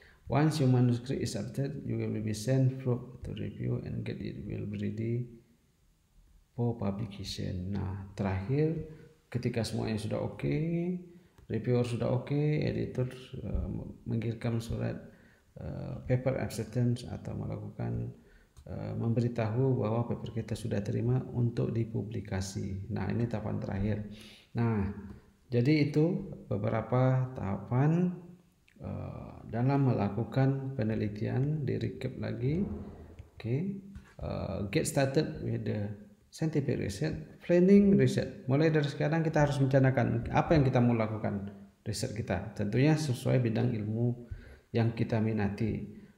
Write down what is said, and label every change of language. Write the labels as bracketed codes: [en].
[en] Once your manuscript is updated, you will be sent through to review and get it will be ready for publication. [id] Nah, terakhir ketika semuanya sudah oke, reviewer sudah oke, editor mengirimkan surat paper acceptance atau melakukan memberitahu bahwa paper kita sudah terima untuk dipublikasi. Nah, ini tahapan terakhir. Nah, jadi itu beberapa tahapan dalam melakukan penelitian. Di recap lagi, okay. [en] Get started with the scientific research, planning research. [id] Mulai dari sekarang kita harus merencanakan apa yang kita mau lakukan, riset kita tentunya sesuai bidang ilmu yang kita minati.